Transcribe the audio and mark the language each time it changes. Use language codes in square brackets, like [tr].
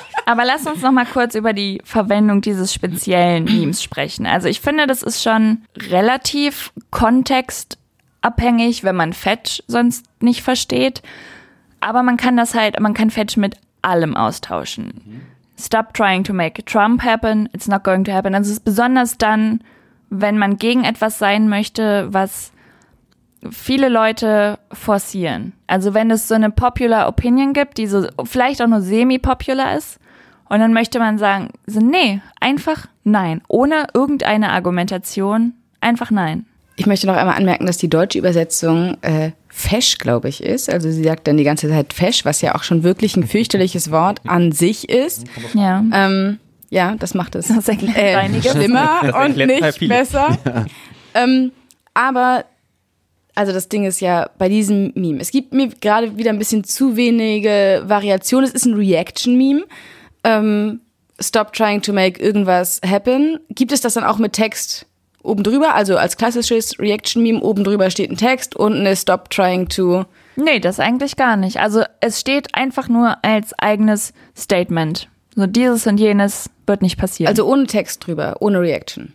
[de] Aber lass uns noch mal kurz über die Verwendung dieses speziellen Memes sprechen. Also ich finde, das ist schon relativ kontextabhängig, wenn man Fetch sonst nicht versteht. Aber man kann das halt, man kann Fetch mit allem austauschen. [en] Stop trying to make Trump happen. It's not going to happen. [de] Also es ist besonders dann, wenn man gegen etwas sein möchte, was viele Leute forcieren. Also wenn es so eine [en] popular opinion [de] gibt, die so vielleicht auch nur semi-popular ist, und dann möchte man sagen, so, nee, einfach nein. Ohne irgendeine Argumentation, einfach nein. Ich möchte noch einmal anmerken, dass die deutsche Übersetzung Fesch, glaube ich, ist. Also sie sagt dann die ganze Zeit Fesch, was ja auch schon wirklich ein fürchterliches Wort an sich ist. Ja. Ja, das macht es schlimmer und nicht besser. Ja. Aber also das Ding ist ja bei diesem Meme, es gibt mir gerade wieder ein bisschen zu wenige Variationen. Es ist ein Reaction-Meme. [en] Stop trying to make [de] irgendwas [en] happen. [de] Gibt es das dann auch mit Text oben drüber? Also als klassisches Reaction-Meme, oben drüber steht ein Text, unten ist [en] Stop trying to. [de] Nee, das eigentlich gar nicht. Also es steht einfach nur als eigenes Statement. So dieses und jenes wird nicht passieren. Also ohne Text drüber, ohne Reaction.